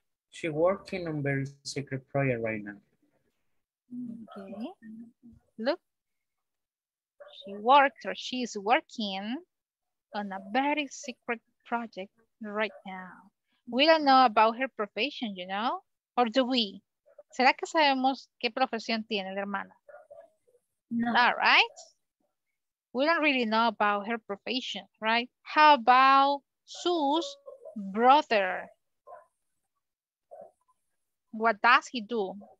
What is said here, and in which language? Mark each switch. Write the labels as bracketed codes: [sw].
[en] She working on very secret project right now. Okay, look, she works or she is working on a very secret project right now. We don't know about her profession, you know? Or do we? [es] ¿Será que sabemos qué profesión tiene la hermana? No. [en] All right. We don't really know about her profession, right? How about Sue's brother? What does he do?